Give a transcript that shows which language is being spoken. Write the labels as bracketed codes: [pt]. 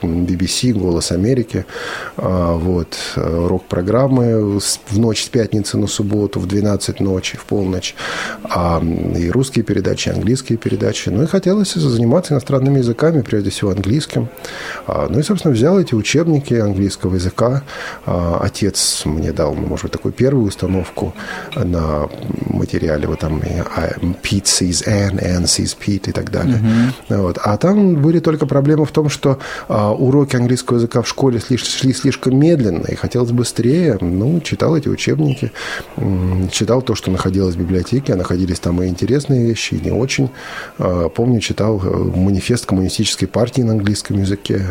[ru] BBC, «Голос Америки». Вот, рок-программы в ночь с пятницы на субботу, в 12 ночи, в полночь. И русские передачи, и английские передачи. Ну, и хотелось заниматься иностранными языками, прежде всего английским. Ну и, собственно, взял эти учебники английского языка. Отец мне дал, может быть, такую первую установку на материале. Вот там [en] Pete sees Anne, Anne sees Pete [ru] и так далее. Uh-huh. Вот. А там были только проблемы в том, что уроки английского языка в школе шли слишком медленно, и хотелось быстрее. Ну, читал эти учебники, читал то, что находилось в библиотеке, а находились там и интересные вещи, и не очень. Помню, читал манифест коммунистической партии на английском языке.